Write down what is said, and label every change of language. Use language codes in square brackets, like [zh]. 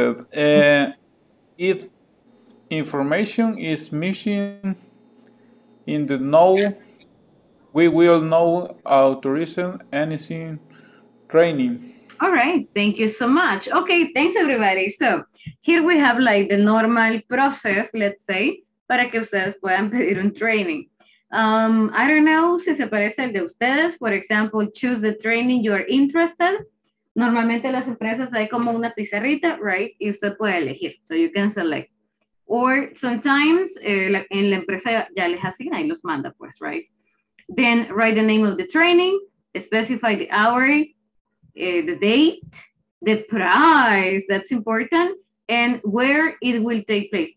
[en] If information is missing in the note, we will not authorize anything training. All right, thank you so much. Okay, thanks everybody. So here we have like the normal process, let's say, [es] para que ustedes puedan pedir un training. [en] I don't know [es] si se parece al de ustedes. [en] For example, choose the training you are interested. [es] Normalmente las empresas hay como una pizarrita, right? Y usted puede elegir. [en] So you can select. Or sometimes [es] en la empresa ya les asigna y los manda, pues, right? [en] Then write the name of the training, specify the hour, the date, the price, that's important, and where it will take place.